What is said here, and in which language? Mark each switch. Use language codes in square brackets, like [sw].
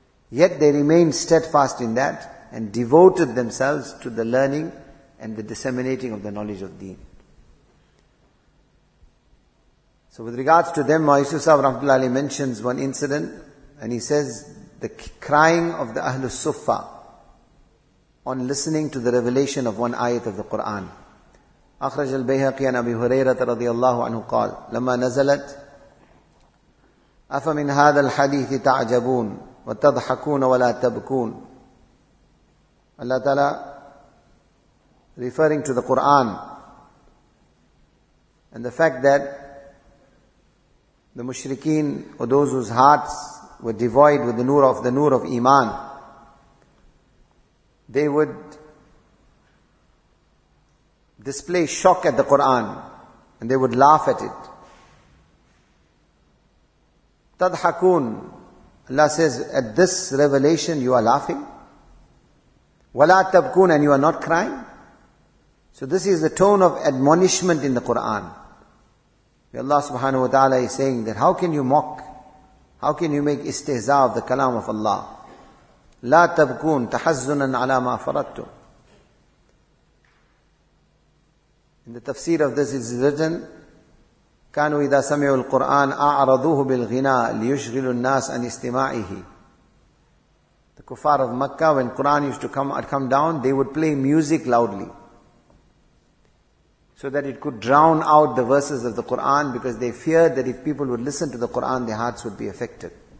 [en] Yet they remained steadfast in that and devoted themselves to the learning and the disseminating of the knowledge of deen. So with regards to them, Yusuf Sahib Rahmatullah Ali mentions one incident, and he says, the crying of the Ahlus Suffa on listening to the revelation of one ayat of the Quran. [ar] أخرج البيهقي عن أبي هريرة رضي الله عنه قال لما نزلت أفمن هذا الحديث تعجبون وتضحكون ولا تبكون. [en] الله تعالى referring to the Quran and the fact that the mushrikeen or those whose hearts were devoid with the nur of iman, they would display shock at the Quran, and they would laugh at it. Tadhakun, Allah says, at this revelation you are laughing. [ar] وَلَا تَبْكُونَ, [en] and you are not crying. So this is the tone of admonishment in the Quran. Allah subhanahu wa ta'ala is saying that how can you mock? How can you make istihza of the kalam of Allah? [ar] لَا تَبْكُونَ تَحَزُّنًا عَلَى مَا فَرَدْتُمْ. [en] In the tafsir of this is written, [ar] كَانُوا إِذَا سَمِعُوا الْقُرْآنَ أَعْرَضُوهُ بِالْغِنَى لِيُشْغِلُوا النَّاسَ عَنْ إِسْتِمَاعِهِ. [en] The kuffar of Mecca, when Quran used to come down, they would play music loudly, so that it could drown out the verses of the Quran, because they feared that if people would listen to the Quran, their hearts would be affected.